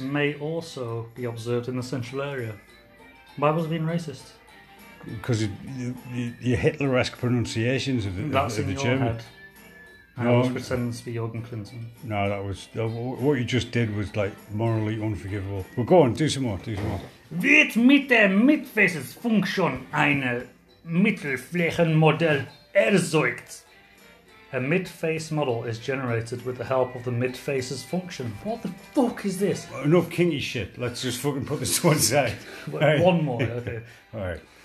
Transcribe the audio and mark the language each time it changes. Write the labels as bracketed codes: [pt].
[en] May also be observed in the central area. Why was it being racist? Because your Hitler-esque pronunciations of the German. That's in your head. I was pretending to be Jürgen Klinsmann. No, that was... What you just did was, like, morally unforgivable. Well, go on, do some more. [de] Wird mit der Mittelfläche-Funktion eine Mittelflächenmodell erzeugt? [en] A mid-face model is generated with the help of the mid-faces function. What the fuck is this? Enough kinky shit. Let's just fucking put this to one side. One more, okay. All right.